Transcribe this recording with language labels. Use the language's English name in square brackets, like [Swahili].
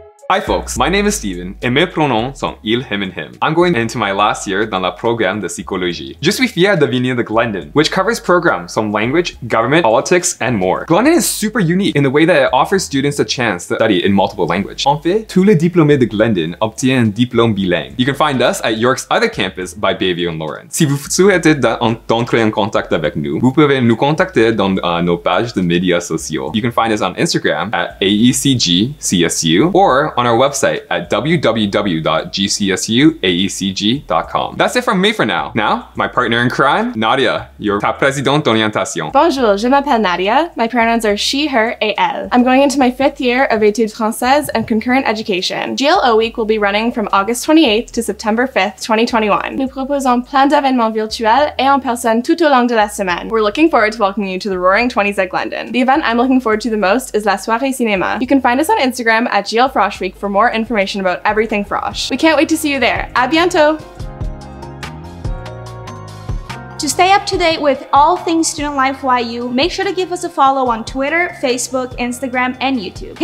[English] Hi folks, my name is Steven, [French] et mes pronoms sont il, [English] him, and him. I'm going into my last year [French] dans la programme de psychologie. Je suis fier de venir de Glendon, [English] which covers programs from language, government, politics, and more. Glendon is super unique in the way that it offers students a chance to study in multiple languages. [French] En fait, tous les diplômés de Glendon obtiennent un diplôme bilingue. [English] You can find us at York's other campus by Bayview and Lawrence. [French] Si vous souhaitez d'entrer en contact avec nous, vous pouvez nous contacter dans nos pages de médias sociaux. [English] You can find us on Instagram at AECGCSU or on our website at www.gcsuaecg.com. That's it from me for now. Now, my partner in crime, Nadia, your [French] ta présidente d'orientation. Bonjour, je m'appelle Nadia. [English] My pronouns are she, her, [French] et elle. [English] I'm going into my fifth year of [French] études françaises [English] and concurrent education. GLO week will be running from August 28th to September 5th, 2021. [French] Nous proposons plein d'événements virtuels et en personne tout au long de la semaine. [English] We're looking forward to welcoming you to the Roaring 20s at Glendon. The event I'm looking forward to the most is La Soirée Cinéma. You can find us on Instagram at GLFrosh week for more information about everything frosh. We can't wait to see you there. [French] A bientôt! [English] To stay up to date with all things Student Life YU, make sure to give us a follow on Twitter, Facebook, Instagram, and YouTube.